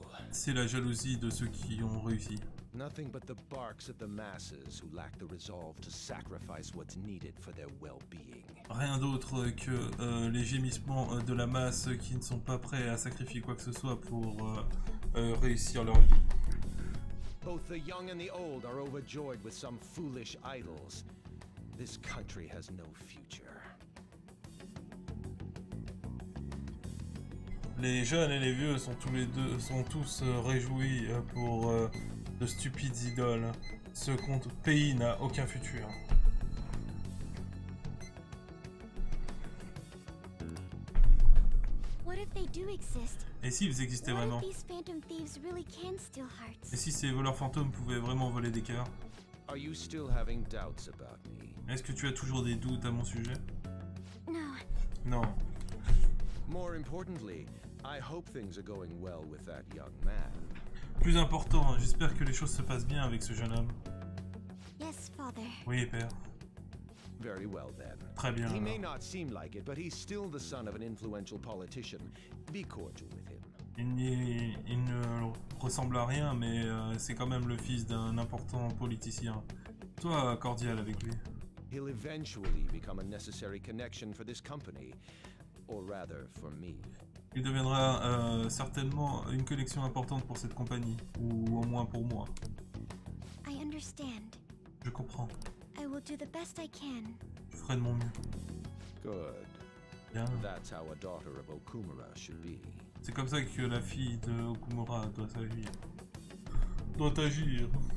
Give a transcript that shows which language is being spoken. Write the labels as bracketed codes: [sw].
[fr] C'est la jalousie de ceux qui ont réussi. [en] Nothing but the barks of the masses who lack the resolve to sacrifice what's needed for their well-being. [fr] Rien d'autre que les gémissements de la masse qui ne sont pas prêts à sacrifier quoi que ce soit pour réussir leur vie. [en] Both the young and the old are overjoyed with some foolish idols. This country has no future. [fr] Les jeunes et les vieux sont tous les deux sont tous réjouis pour de stupides idoles. Ce compte pays n'a aucun futur. [en] What if they do exist? [fr] Et s'ils existaient vraiment? [en] What if these phantom thieves really can steal hearts? [fr] Et si ces voleurs fantômes pouvaient vraiment voler des cœurs? [en] Are you still having doubts about me? [fr] Est-ce que tu as toujours des doutes à mon sujet? [en] No. [fr] Non. [en] More importantly, I hope things are going well with that young man. [fr] Plus important, j'espère que les choses se passent bien avec ce jeune homme. [en] Yes, father. [fr] Oui, père. [en] Very well then. [fr] Très bien. [en] He may not seem like it, but he's still the son of an influential politician. Be cordial with him. [fr] Il ne ressemble à rien, mais c'est quand même le fils d'un important politicien. Sois cordial avec lui. [en] He'll eventually become a necessary connection for this company, or rather for me. [fr] Il deviendra certainement une connexion importante pour cette compagnie, ou au moins pour moi. [en] I understand. [fr] Je comprends. [en] I will do the best I can. [fr] Je ferai de mon mieux. [en] Good. [fr] Bien. [en] That's how a daughter of Okumura should be. [fr] C'est comme ça que la fille de Okumura doit agir. Doit agir.